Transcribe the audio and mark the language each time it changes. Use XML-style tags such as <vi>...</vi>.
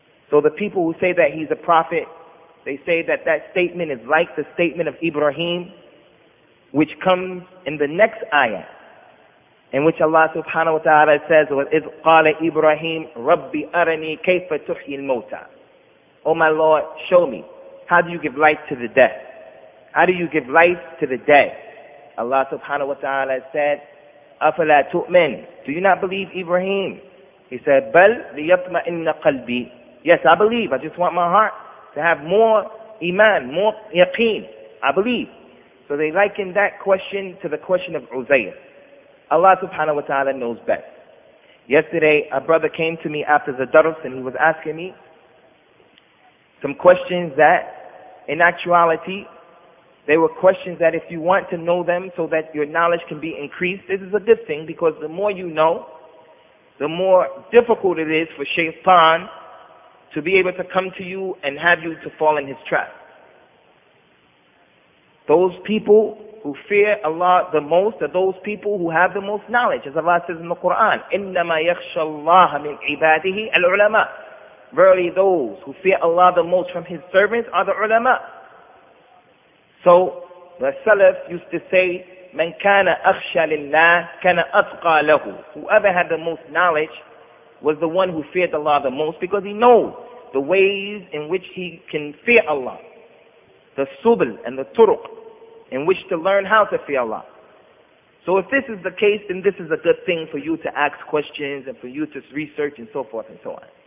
<en>So the people who say that he's a prophet, they say that that statement is like the statement of Ibrahim, which comes in the next ayah, in which Allah subhanahu wa ta'ala says,</en> <ar>وَإِذْ قَالَ إِبْرَاهِيمُ رَبِّ أَرَنِي كَيْفَ تُحْيِي الْمَوْتَى.</ar> <en>Oh my Lord, show me, how do you give life to the dead? How do you give life to the dead? Allah subhanahu wa ta'ala said,</en> <ar>أَفَلَا تُؤْمِنُ.</ar> <en>Do you not believe Ibrahim? He said,</en> <ar>بَلْ لِيَطْمَئِنَّ قَلْبِي.</ar> <en>Yes, I believe, I just want my heart to have more iman, more yaqeen. I believe. So they liken that question to the question of Uzair. Allah subhanahu wa ta'ala knows best. Yesterday, a brother came to me after the darus and he was asking me some questions that, in actuality, they were questions that if you want to know them so that your knowledge can be increased, this is a good thing because the more you know, the more difficult it is for shaytan to be able to come to you and have you to fall in his trap. Those people who fear Allah the most are those people who have the most knowledge. As Allah says in the Quran,</en> <ar>إِنَّمَا يَخْشَى اللَّهَ مِنْ عِبَادِهِ الْعُلَمَاءِ.</ar> <en>Verily those who fear Allah the most from his servants are the ulama. So the Salaf used to say,</en> <ar>مَنْ كَانَ أَخْشَى لِلَّهِ كَانَ أَتْقَى لَهُ.</ar> <en>Whoever had the most knowledge was the one who feared Allah the most because he knows the ways in which he can fear Allah. The subl and the turuq in which to learn how to fear Allah. So if this is the case, then this is a good thing for you to ask questions and for you to research and so forth and so on.</en>